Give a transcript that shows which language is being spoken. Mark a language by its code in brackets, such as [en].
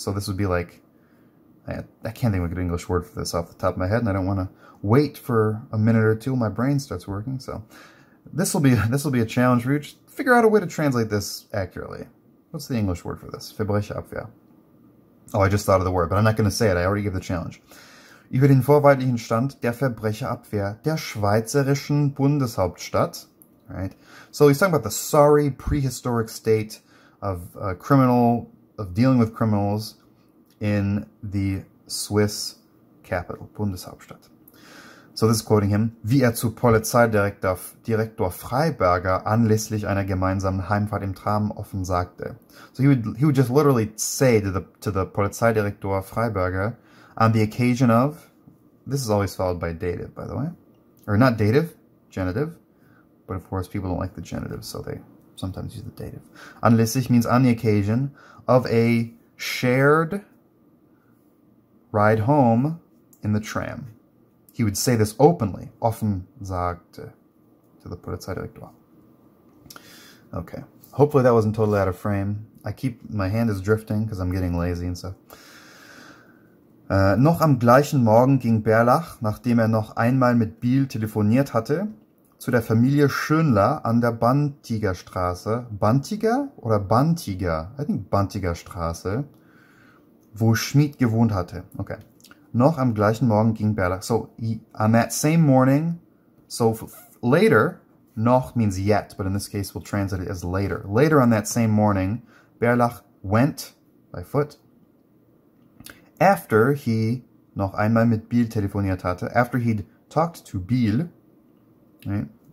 [en] So this would be like, I can't think of a good English word for this off the top of my head, and I don't want to wait for a minute or two. My brain starts working. So this will be a challenge for you. Just figure out a way to translate this accurately. What's the English word for this? Verbrecherabwehr. Oh, I just thought of the word, but I'm not going to say it. I already gave the challenge. [de] Über den vorweltlichen Stand der Verbrecherabwehr der Schweizerischen Bundeshauptstadt. [en] All right. So he's talking about the sorry prehistoric state of dealing with criminals in the Swiss capital, Bundeshauptstadt. So this is quoting him. [de] Wie zu Polizeidirektor Freiberger anlässlich einer gemeinsamen Heimfahrt im Tram offen sagte. [en] So he would just literally say to the Polizeidirektor Freiberger, on the occasion of, this is always followed by dative, by the way. Or not dative, genitive. But of course, people don't like the genitive, so they sometimes use the dative. Anlässlich means on the occasion of a shared ride home in the tram. He would say this openly, [de] offen sagte, [en] to the Polizeidirektor. Okay, hopefully that wasn't totally out of frame. My hand is drifting because I'm getting lazy and stuff. [de] Noch am gleichen Morgen ging Berlach, nachdem er noch einmal mit Biel telefoniert hatte, zu der Familie Schönler an der Bantigerstraße. Bantiger oder Bantiger? [en] I think [de] Bantigerstraße, wo Schmied gewohnt hatte. Okay. Noch am gleichen Morgen ging Berlach. [en] So, on that same morning, so later, noch means yet, but in this case we'll translate it as later. Later on that same morning, Berlach went by foot. After he [de] noch einmal mit Biel telefoniert hatte, [en] after he'd talked to Biel, right?